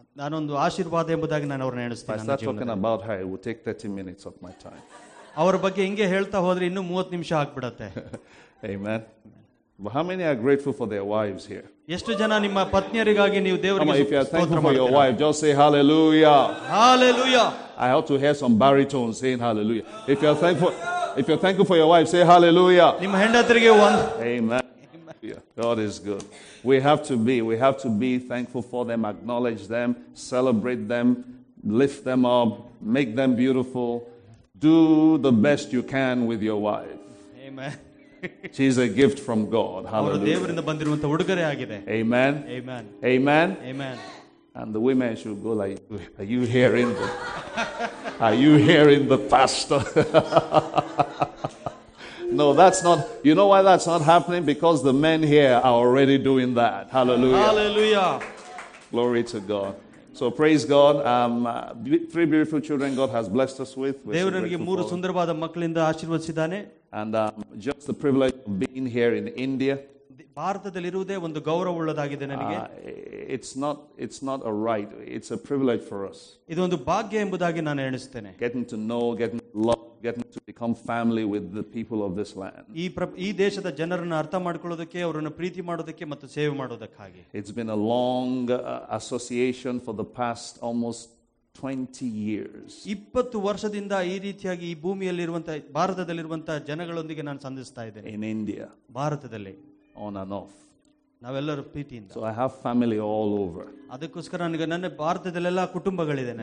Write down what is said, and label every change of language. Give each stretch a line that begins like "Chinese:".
Kannada: ನಾನೊಂದು ಆಶೀರ್ವಾದ ಎಂಬುದಾಗಿ ನಾನು ಅವ್ರನ್ನ ನೆನೆಸ್ತೇನೆ.
English: I start talking about her, it would take 30 minutes of my time.
Kannada: ಅವರ ಬಗ್ಗೆ ಹಿಂಗೆ ಹೇಳ್ತಾ ಹೋದ್ರೆ ಇನ್ನೂ 30 ನಿಮಿಷ ಆಗ್ಬಿಡತ್ತೆ.
English: Amen. But how many are grateful for their wives here?
Kannada: ಎಷ್ಟು ಜನ ನಿಮ್ಮ ಪತ್ನಿಯರಿಗಾಗಿ ನೀವು ದೇವರಿಗೆ ಸ್ತೋತ್ರ ಮಾಡ್ತೀರಾ?
English: If you are thankful for your wife, just say hallelujah. Hallelujah. I ought to hear some baritone saying hallelujah. If you're thankful for your wife, say hallelujah.
Kannada: ನಿಮ್ಮ ಹೆಂಡತಿಗೆ ಒಂದು.
English: Amen. Yeah, God is good. We have to be thankful for them, acknowledge them, celebrate them, lift them up, make them beautiful. Do the best you can with your wife. Amen. She's a gift from God. Hallelujah.
Kannada: ಅವರು ದೇವರಿಂದ ಬಂದಿರುವಂತ ಉಡುಗೊರೆ ಆಗಿದೆ.
English: Amen. Amen. Amen. Amen. And the women should go like, are you hearing the pastor? No, that's not, you know why that's not happening? Because the men here are already doing that. Hallelujah. Hallelujah. Glory to God. So praise God. Three beautiful children God has blessed us with.
Kannada: ದೇವರಿಗೆ ಮೂರು ಸುಂದರವಾದ ಮಕ್ಕಳಿಂದ ಆಶೀರ್ವದಿಸಿದ್ದಾನೆ.
English: And just the privilege of being here in India.
Kannada: ಭಾರತದಲ್ಲಿರುವುದೇ ಒಂದು ಗೌರವವುಳ್ಳದಾಗಿದೆ ನನಗೆ.
English: It's not a right, it's a privilege for us.
Kannada: ಇದೊಂದು ಭಾಗ್ಯ ಎಂಬುದಾಗಿ ನಾನು ಎಣಿಸುತ್ತೇನೆ.
English: Getting to know, getting to love, getting to become family with the people of this land.
Kannada: ಈ ದೇಶದ ಜನರನ್ನು ಅರ್ಥ ಮಾಡಿಕೊಳ್ಳೋದಕ್ಕೆ, ಅವರನ್ನು ಪ್ರೀತಿ ಮಾಡೋದಕ್ಕೆ ಮತ್ತು ಸೇವೆ ಮಾಡೋದಕ್ಕಾಗಿ.
English: It's been a long association for the past almost 20 years.
Kannada: 20 ವರ್ಷದಿಂದ ಈ ರೀತಿಯಾಗಿ ಈ ಭೂಮಿಯಲ್ಲಿ ಇರುವಂತ ಭಾರತದಲ್ಲಿ ಇರುವಂತ ಜನಗಳೊಂದಿಗೆ ನಾನು ಸಂಧಿಸ್ತಾ ಇದ್ದೇನೆ.
English: In India.
Kannada: ಭಾರತದಲ್ಲಿ.
English: On and off.
Kannada: ನಾವೆಲ್ಲರೂ ಪ್ರೀತಿಯಿಂದ.
English: So I have family all over.
Kannada: ಅದಕ್ಕೋಸ್ಕರ ನನಗೆ ನನ್ನ ಭಾರತದಲ್ಲೆಲ್ಲ ಕುಟುಂಬಗಳಿದೆ.